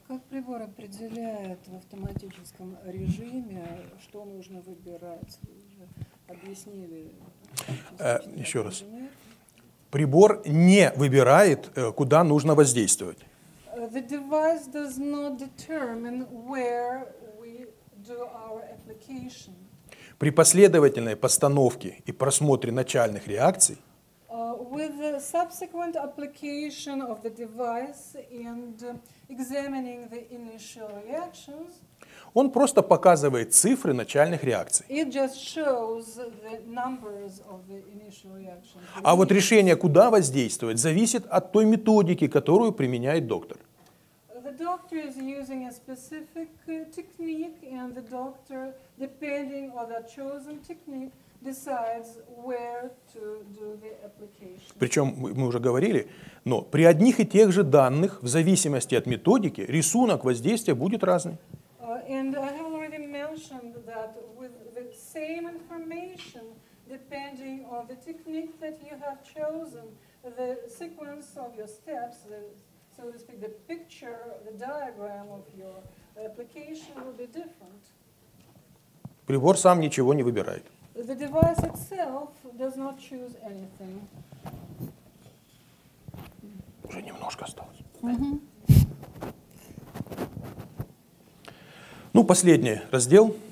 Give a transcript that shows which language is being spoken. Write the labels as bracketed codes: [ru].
[ru] Прибор определяет в автоматическом режиме, что нужно выбирать. Уже объяснили. Еще раз. Прибор не выбирает, куда нужно воздействовать. [en] The device does not determine where we do our application. [ru] При последовательной постановке и просмотре начальных реакций. [en] With the subsequent application of the device and examining the initial reactions, [ru] он просто показывает цифры начальных реакций. [en] It just shows the numbers of the initial reactions. [ru] А вот решение, куда воздействовать, зависит от той методики, которую применяет доктор. [en] The doctor is using a specific technique, and the doctor, depending on the chosen technique, decides where to do the application. [ru] Причем мы уже говорили, но при одних и тех же данных, в зависимости от методики, рисунок воздействия будет разный. [en] And I have already mentioned that with the same information, depending on the technique that you have chosen, the sequence of your steps, the, so to speak, the picture, the diagram of your application will be different. [ru] Прибор сам ничего не выбирает. [en] The device itself does not choose anything. [ru] Уже немножко осталось. Ну, последний раздел.